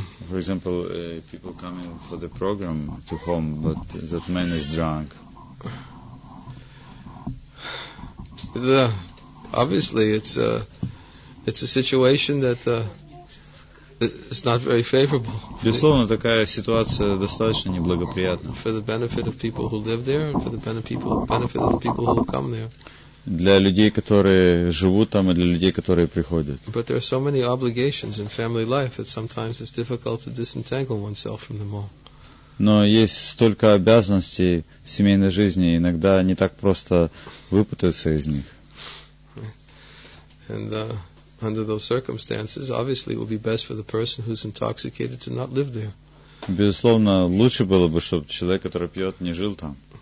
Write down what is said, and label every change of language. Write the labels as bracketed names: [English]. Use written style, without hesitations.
[English] For example, people coming for the program to home, but that man is drunk. The, obviously, it's a situation that it's not very favorable. [Russian] Безусловно, такая ситуация достаточно неблагоприятна. [English] For the benefit of people who live there, and for the benefit of the people who come there. [Russian] Для людей, которые живут там, и для людей, которые приходят. [English] But there are so many obligations in family life that sometimes it's difficult to disentangle oneself from them all. [Russian] Но есть столько обязанностей в семейной жизни, иногда не так просто выпутаться из них. [English] And under those circumstances, obviously, it would be best for the person who's intoxicated to not live there. [Russian] Безусловно, лучше было бы, чтобы человек, который пьет, не жил там.